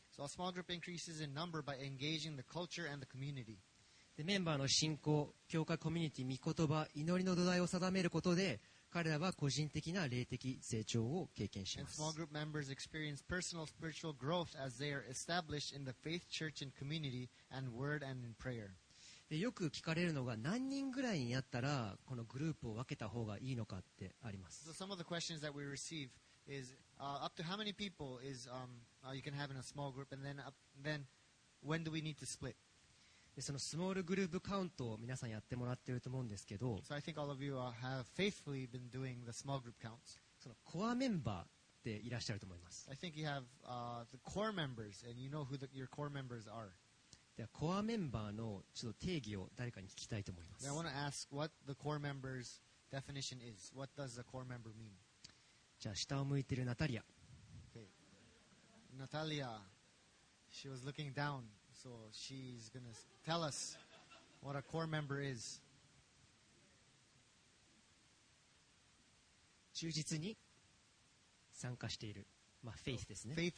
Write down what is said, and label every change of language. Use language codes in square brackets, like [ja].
[en] So a small group increases in number by engaging the culture and the community [ja] でメンバーの信仰、教会コミュニティ、御言葉、祈りの土台を定めることで彼らは個人的な霊的成長を経験します。 [en] And small group members experience personal spiritual growth as they are established in the faith, church and community and word and in prayer. [ja] でよく聞かれるのが何人ぐらいになったらこのグループを分けた方がいいのかってあります。 [en] So some of the questions that we receive is up to how many people is, you can have in a small group and then when do we need to split? [ja] そのスモールグループカウントを皆さんやってもらっていると思うんですけど、 [en] So I think all of you have faithfully been doing the small group counts. [ja] そのコアメンバーでいらっしゃると思います。 [en] I think you have the core members and you know who your core members are. [ja] ではコアメンバーのちょっと定義を誰かに聞きたいと思います。 [en] I want to ask what the core member's definition is. What does the core member mean? [ja] じゃあ下を向いているナタリア。 [en] Okay. Natalia, she was looking down. So she's going to tell us what a core member is. [ja] 忠実に参加している。まあ、faith ですね。